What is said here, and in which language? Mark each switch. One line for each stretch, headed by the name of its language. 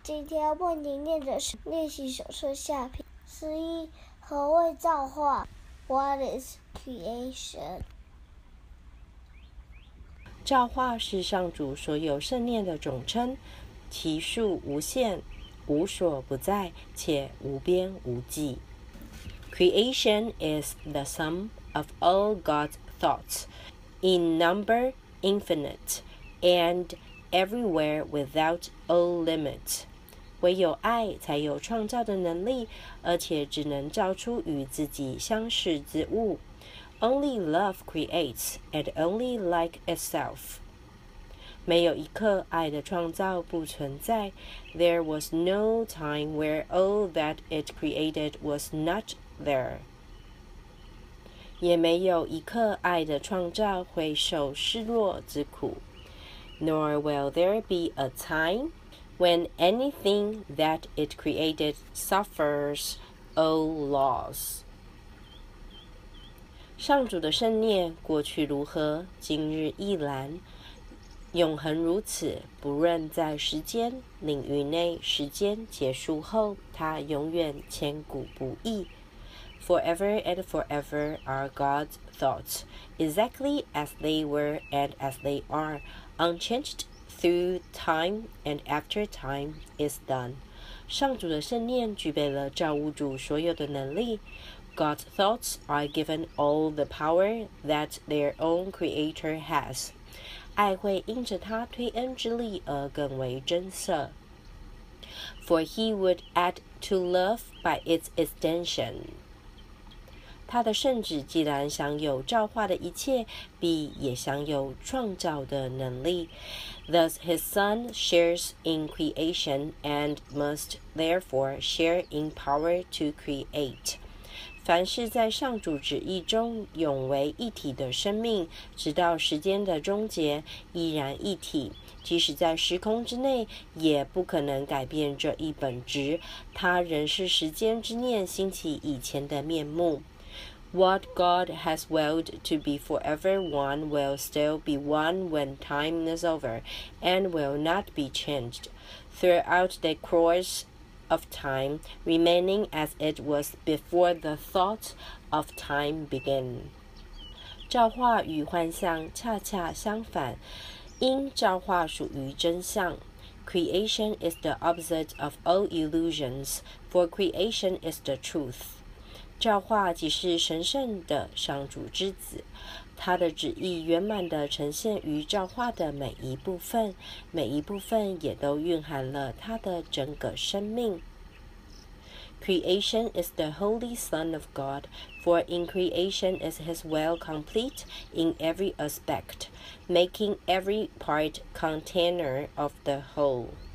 Chinese: 今天为您念的是练习手册下篇十一，何谓造化？
English: What is creation？
Chinese: 造化是上主所有圣念的总称，其数无限，无所不在，且无边无际。
English: Creation is the sum of all God's thoughts in number infinite and everywhere without all limit。
Chinese: 唯有爱才有创造的能力，而且只能造出与自己相似之物。
English: Only love creates and only like itself。
Chinese: 没有一刻爱的创造不存在。
English: There was no time where all that it created was not there。
Chinese: 也没有一刻爱的创造会受失落之苦。
English: Nor will there be a time when anything that it created suffers all loss.
Chinese: 上主的圣念过去如何，今日亦然，永恒如此，不论在时间领域内，时间结束后，它永远千古不易。
English: Forever and forever are God's thoughts, exactly as they were and as they are, unchanged through time and after time is done.
Chinese: 上主的圣念具备了造物主所有的能力。
English: God's thoughts are given all the power that their own creator has.
Chinese: 爱会因着他推恩之力而更为真实。
English: For he would add to love by its extension.
Chinese: 他的圣旨既然享有造化的一切，必也享有创造的能力。
English: Thus his son shares in creation and must therefore share in power to create.
Chinese: 凡是在上主旨意中永为一体的生命，直到时间的终结依然一体，即使在时空之内也不可能改变这一本质，他仍是时间之念兴起以前的面目。
English: What God has willed to be forever one will still be one when time is over, and will not be changed throughout the course of time, remaining as it was before the thought of time began.
Chinese: 造化与幻象恰恰相反，因造化属于真相。
English: Creation is the opposite of all illusions, for creation is the truth.
Chinese: 造化即是神圣的上主之子，他的旨意圆满地呈现于造化的每一部分，每一部分也都蕴含了他的整个生命。
English: Creation is the Holy Son of God, for in creation is his will complete in every aspect, making every part container of the whole.